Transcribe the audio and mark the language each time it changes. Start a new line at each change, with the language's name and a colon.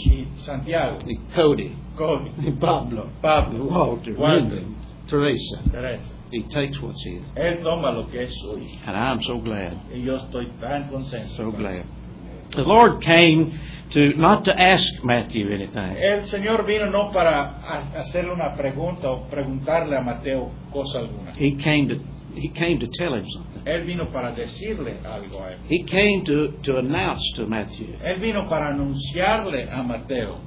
Spanish: Y Santiago. Y Cody. Cody. Y Pablo. Pablo. Y Walter. Walter. Teresa. Teresa.
English: He takes what's his.
Spanish: Él toma lo que es suyo.
English: And I'm so glad.
Spanish: Y yo estoy tan contento.
English: So glad. The Lord came to not to ask Matthew anything.
Spanish: El Señor vino no para hacerle una pregunta o preguntarle a Mateo cosa alguna.
English: He came to tell him something.
Spanish: Él vino para decirle algo a él.
English: He came to announce to Matthew.
Spanish: Él vino para anunciarle a Mateo